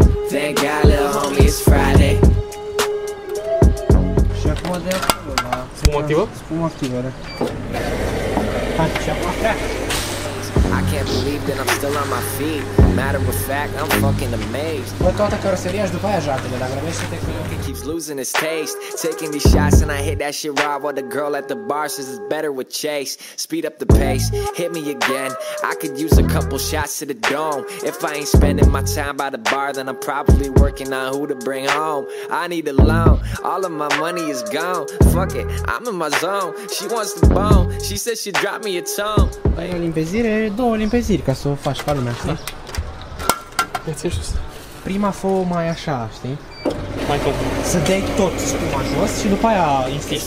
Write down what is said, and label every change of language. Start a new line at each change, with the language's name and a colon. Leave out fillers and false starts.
English: Thank God, little homie, it's Friday.
Romanian: Și acum de acolo la spumă activă.
English: I can't believe that I'm still on my feet. matter of fact, I'm fucking amazed.
Romanian: Bă, toată caroseria și după aia jartele, dar grăbește-te cu el.
English: It keeps losing its taste. Taking these shots and I hit that shit raw. While the girl at the bar says it's better with Chase. Speed up the pace, hit me again. I could use a couple shots to the dome. If I ain't spending my time by the bar, then I'm probably working on who to bring home. I need a loan, all of my money is gone. Fuck it, I'm in my zone. She wants the bone, she says she dropped me a tone.
Romanian: Băi, o limpezire, două limpeziri ca să o faci pe lumea, știi? Prima fă mai așa, știi? Mai tot. Să dai tot spuma jos și după aia insist.